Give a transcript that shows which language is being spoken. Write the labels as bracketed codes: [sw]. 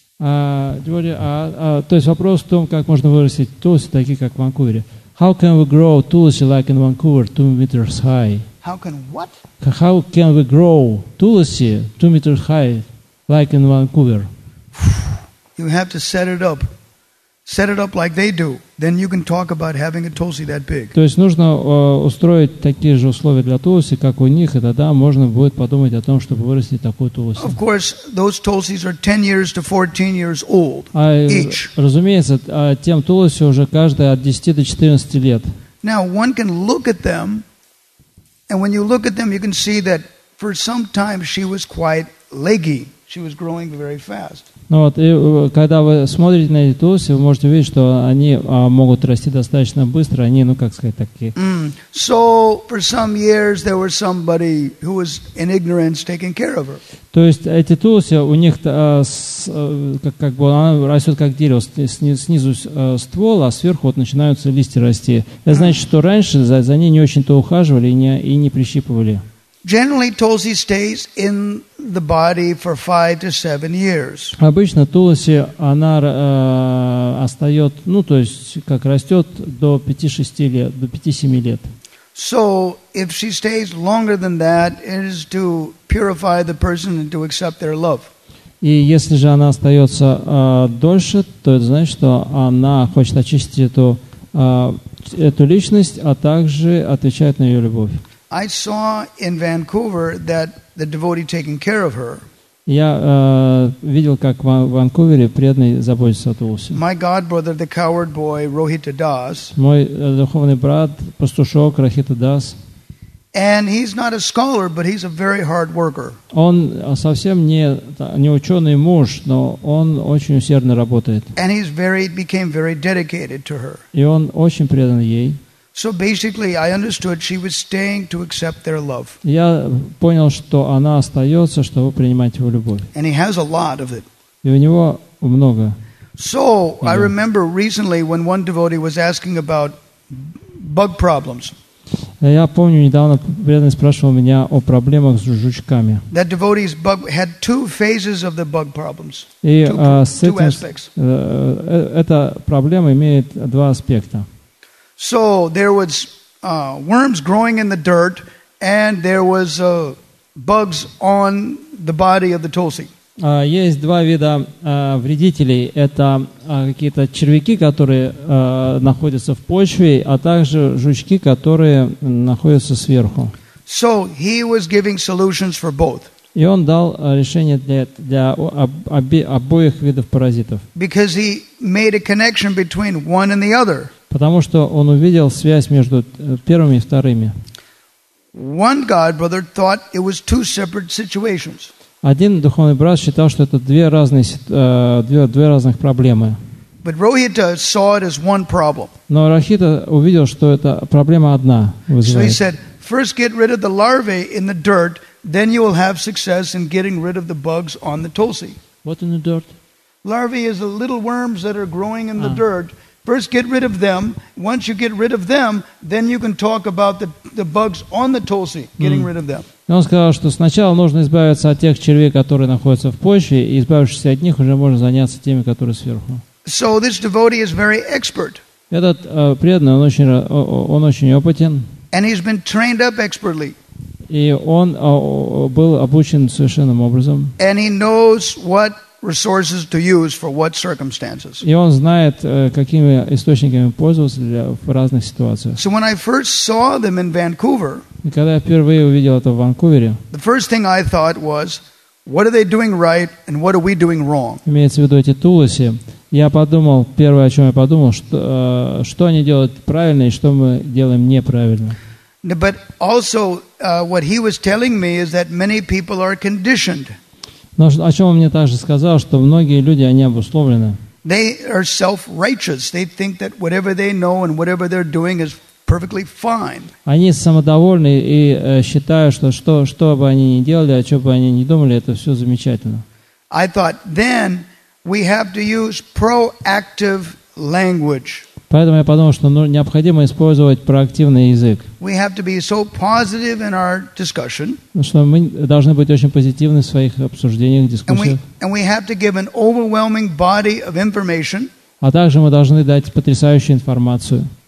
[ru] То есть вопрос в том, как можно вырастить тулси такие, как в Ванкувере. [en] How can we grow tulsi like in Vancouver, 2 meters high? How can what? How can we grow tulsi 2 meters high, like in Vancouver? You have to set it up set it up like they do, then you can talk about having a tulsi that big. [ru] То есть нужно устроить такие же условия для тулси, как у них, и тогда можно будет подумать о том, чтобы вырастить такую тулси. [en] Of course, those tulsis are 10 years to 14 years old each. [ru] Разумеется, тем тулси уже каждая от 10 до 14 лет. [en] Now one can look at them, and when you look at them, you can see that for some time she was quite leggy. She was growing very fast. [ru] Ну вот, и когда вы смотрите на эти тулси, вы можете видеть, что они могут расти достаточно быстро, они, ну как сказать, такие. [en] So for some years there was somebody who was in ignorance taking care of her. [ru] То есть эти тулси у них как бы она растет как дерево, снизу ствол, а сверху вот начинаются листья расти. Это значит, что раньше за ней не очень-то ухаживали и не прищипывали. [en] Generally, tulsi stays in the body for 5 to 7 years. [ru] Обычно тулси она остается, ну то есть как растет до 5-6 лет, до 5-7 лет. [en] So, if she stays longer than that, it is to purify the person and to accept their love. [ru] И если же она остается дольше, то это значит, что она хочет очистить эту личность, а также отвечает на ее любовь. [en] I saw in Vancouver that the devotee taking care of her. [ru] Я видел, как в Ванкувере преданный заботится о тулси. [en] My godbrother, the coward boy Rohita Das. [ru] Мой духовный брат, пастушок Рохита Дас. [en] And he's not a scholar, but he's a very hard worker. [ru] Он совсем не ученый муж, но он очень усердно работает. [en] And became very dedicated to her. [ru] И он очень предан ей. [en] So basically, I understood she was staying to accept their love. [ru] Я понял, что она остается, чтобы принимать его любовь. [en] And he has a lot of it. [ru] И у него много. [en] So I remember recently when one devotee was asking about bug problems. [ru] Я помню, недавно преданный спрашивал меня о проблемах с жучками. [en] That devotee's bug had two phases of the bug problems. [ru] И [en] two aspects. [ru] Эта проблема имеет два аспекта. [en] So there was worms growing in the dirt, and there was bugs on the body of the tulsi. [ru] Есть два вида вредителей. Это какие-то червяки, которые находятся в почве, а также жучки, которые находятся сверху. [en] So he was giving solutions for both. [ru] И он дал решение для обоих видов паразитов. [en] Because he made a connection between one and the other. [ru] Потому что он увидел связь между первыми и вторыми. [en] One God brother thought it was two separate situations. [ru] Один духовный брат считал, что это две разных проблемы. [en] But Rohita saw it as one problem. [ru] Но Рохита увидел, что это проблема одна вызывает. [en] So he said, first get rid of the larvae in the dirt, then you will have success in getting rid of the bugs on the tulsi. What in the dirt? Larvae is the little worms that are growing in the dirt. First get rid of them. Once you get rid of them, then you can talk about the bugs on the tulsi, getting rid of them. [ru] Он сказал, что сначала нужно избавиться от тех червей, которые находятся в почве, и избавившись от них, уже можно заняться теми, которые сверху. [en] So this devotee is very expert. [ru] Этот преданный, он очень опытен. [en] And he's been trained up expertly. [ru] И он был обучен совершенным образом. [en] And he knows what resources to use for what circumstances. [ru] И он знает, какими источниками пользоваться в разных ситуациях. [en] So when I first saw them in Vancouver, [ru] когда я впервые увидел это в Ванкувере, [en] the first thing I thought was, what are they doing right and what are we doing wrong? [ru] Имеется в виду эти тулоси. Я подумал, первое, о чем я подумал, что они делают правильно и что мы делаем неправильно. [en] But also, what he was telling me is that many people are conditioned. [ru] Но о чем он мне также сказал, что многие люди, они обусловлены. [en] They are self-righteous. They think that whatever they know and whatever they're doing is perfectly fine. [ru] Они самодовольны и считают, что что бы они ни делали, о чем бы они ни думали, это все замечательно. [en] I thought, then we have to use proactive language. [ru] Поэтому я подумал, что необходимо использовать проактивный язык. [en] We have to be so positive in our discussion. [ru] Что мы должны быть очень позитивны в своих обсуждениях, дискуссиях. [en] And we have to give an overwhelming body of information. [ru] А также мы должны дать потрясающую информацию.